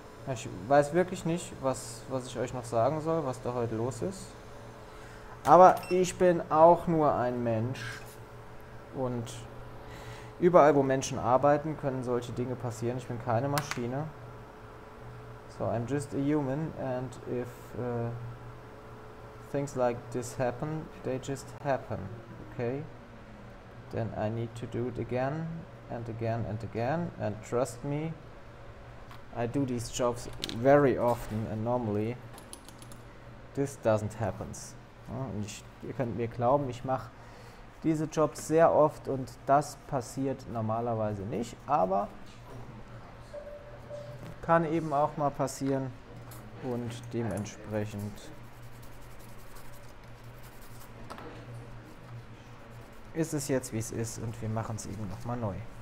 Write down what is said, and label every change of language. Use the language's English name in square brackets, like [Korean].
[German] Ich weiß wirklich nicht, was ich euch noch sagen soll, was da heute los ist. Aber ich bin auch nur ein Mensch. Und überall, wo Menschen arbeiten, können solche Dinge passieren. Ich bin keine Maschine. [English] So, I'm just a human. And if things like this happen, they just happen. Okay? Then I need to do it again and again and again. And trust me. I do these jobs very often and normally this doesn't happen. [German] Ja, und ihr könnt mir glauben, ich mache diese Jobs sehr oft und das passiert normalerweise nicht, aber kann eben auch mal passieren und dementsprechend ist es jetzt wie es ist und wir machen es eben nochmal neu.